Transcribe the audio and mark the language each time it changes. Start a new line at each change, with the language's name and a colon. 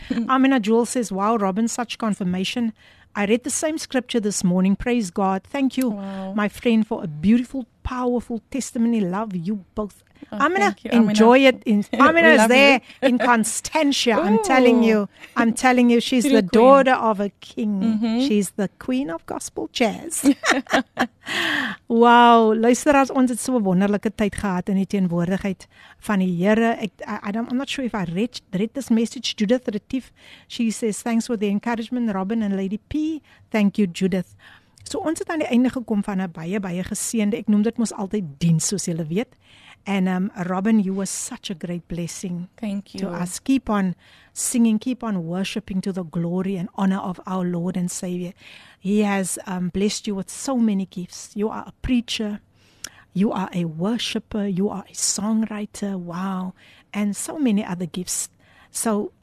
English: Amina Jewel says, wow, Robin, such confirmation. I read the same scripture this morning. Praise God. Thank you, my friend, for a beautiful, powerful testimony. Love you both. Oh, Amina, enjoy it. Amina is there in Constantia. I'm telling you, she's the daughter of a king. Mm-hmm. She's the queen of gospel jazz.
Afrikaans: Wow, luister as ons het so 'n wonderlike tyd gehad in die teenwoordigheid van die Here.
English: I'm not sure if I read this message. Judith Retief, she says, thanks for the encouragement, Robin and Lady P. Thank you, Judith.
Afrikaans: So ons het aan die einde gekom van 'n baie, baie geseënde. Ek noem dit mos altyd diens, soos julle weet.
English: And Robin, you were such a great blessing. Thank you. To us. Keep on singing, keep on worshiping to the glory and honor of our Lord and Savior. He has blessed you with so many gifts. You are a preacher. You are a worshiper. You are a songwriter. Wow. And so many other gifts. So